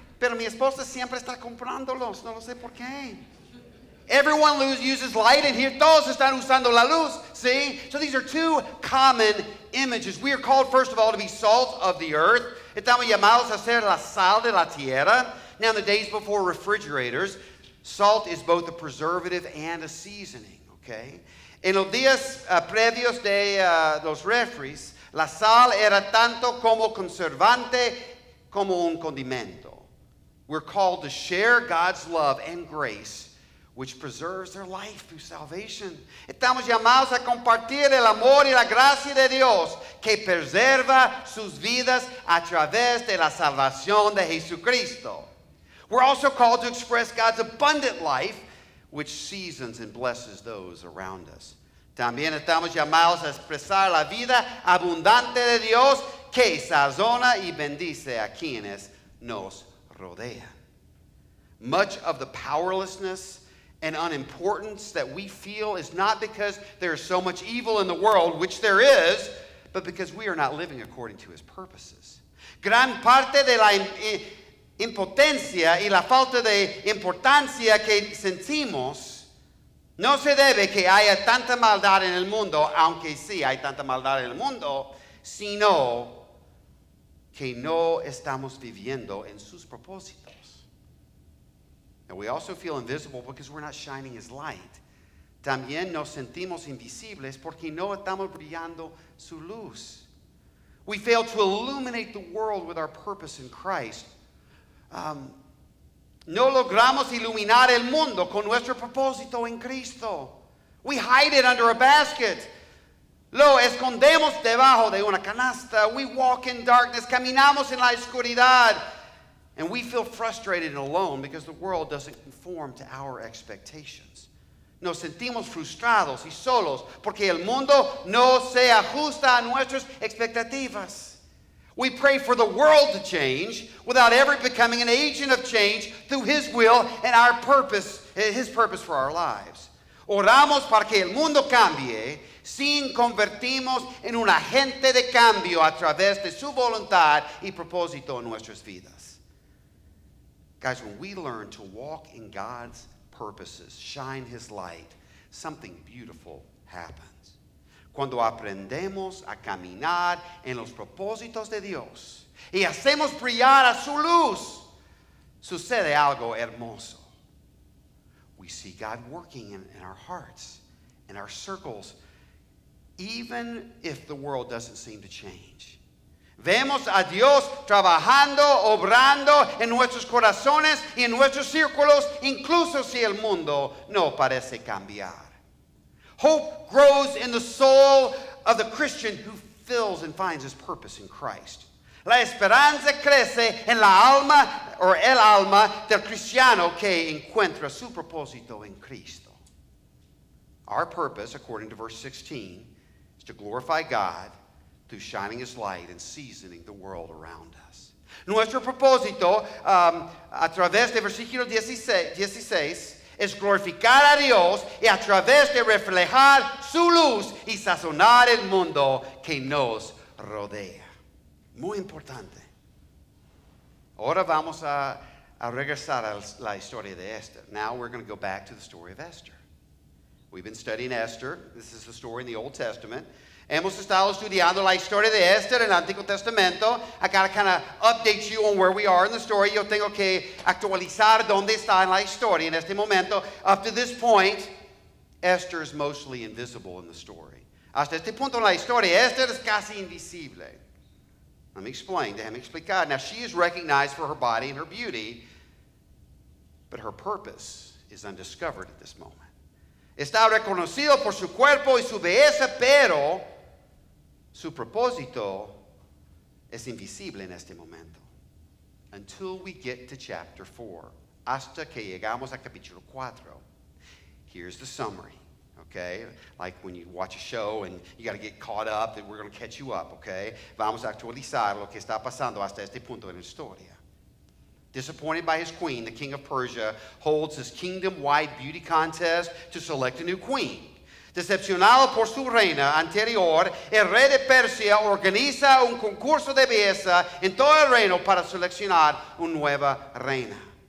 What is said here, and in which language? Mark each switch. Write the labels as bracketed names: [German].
[Spanish] Pero mi esposa siempre está comprándolos, no lo sé por qué. [English] Everyone uses light in here, [Spanish] todos están usando la luz, [English] see? So these are two common images. We are called, first of all, to be salt of the earth. [Spanish] Estamos llamados a ser la sal de la tierra. [English] Now, in the days before refrigerators, salt is both a preservative and a seasoning, okay? [Spanish] En los días previos de los refries, la sal era tanto como conservante como un condimento. [English] We're called to share God's love and grace, which preserves their life through salvation. [Spanish] Estamos llamados a compartir el amor y la gracia de Dios que preserva sus vidas a través de la salvación de Jesucristo. [English] We're also called to express God's abundant life, which seasons and blesses those around us. [Spanish] También estamos llamados a expresar la vida abundante de Dios que sazona y bendice a quienes nos rodean. [English] Much of the powerlessness and unimportance that we feel is not because there is so much evil in the world, which there is, but because we are not living according to his purposes. [Spanish] Gran parte de la impotencia y la falta de importancia que sentimos no se debe que haya tanta maldad en el mundo, aunque sí hay tanta maldad en el mundo, sino que no estamos viviendo en sus propósitos. [English] And we also feel invisible because we're not shining his light. [Spanish] También nos sentimos invisibles porque no estamos brillando su luz. [English] We fail to illuminate the world with our purpose in Christ. [Spanish] No logramos iluminar el mundo con nuestro propósito en Cristo. [English] We hide it under a basket. [Spanish] Lo escondemos debajo de una canasta. [English] We walk in darkness. [Spanish] Caminamos en la oscuridad. [English] And we feel frustrated and alone because the world doesn't conform to our expectations. [Spanish] Nos sentimos frustrados y solos porque el mundo no se ajusta a nuestras expectativas. [English] We pray for the world to change without ever becoming an agent of change through his will and our purpose, his purpose for our lives. [Spanish] Oramos para que el mundo cambie sin convertirnos en un agente de cambio a través de su voluntad y propósito en nuestras vidas. [English] Guys, when we learn to walk in God's purposes, shine his light, something beautiful happens. [Spanish] Cuando aprendemos a caminar en los propósitos de Dios y hacemos brillar a su luz, sucede algo hermoso. [English] We see God working in our hearts, in our circles, even if the world doesn't seem to change. [Spanish] Vemos a Dios trabajando, obrando en nuestros corazones y en nuestros círculos, incluso si el mundo no parece cambiar. [English] Hope grows in the soul of the Christian who fills and finds his purpose in Christ. [Spanish] La esperanza crece en la alma o el alma del cristiano que encuentra su propósito en Cristo. [English] Our purpose, according to verse 16, is to glorify God through shining his light and seasoning the world around us. [Spanish] Nuestro propósito, a través de versículo 16, es glorificar a Dios y a través de reflejar su luz y sazonar el mundo que nos rodea. Muy importante. Ahora vamos a regresar a la historia de Esther. [English] Now we're going to go back to the story of Esther. We've been studying Esther. This is the story in the Old Testament. [Spanish] Hemos estado estudiando la historia de Esther en el Antiguo Testamento. [English] I got to kind of update you on where we are in the story. [Spanish] Yo tengo que actualizar dónde está en la historia en este momento. [English] Up to this point, Esther is mostly invisible in the story. [Spanish] Hasta este punto en la historia, Esther es casi invisible. [English] Let me explain. [Spanish] Déjame explicar. [English] Now, she is recognized for her body and her beauty, but her purpose is undiscovered at this moment. [Spanish] Está reconocido por su cuerpo y su belleza, pero su propósito es invisible en este momento. [English] Until we get to chapter 4, [Spanish] hasta que llegamos a capítulo 4. [English] Here's the summary, okay? Like when you watch a show and you got to get caught up, then we're going to catch you up, okay? [Spanish] Vamos a actualizar lo que está pasando hasta este punto en la historia. [English] Disappointed by his queen, the king of Persia holds his kingdom-wide beauty contest to select a new queen. [Spanish] Decepcionado por su reina anterior, el rey de Persia organiza un concurso de belleza en todo el reino para seleccionar una nueva reina.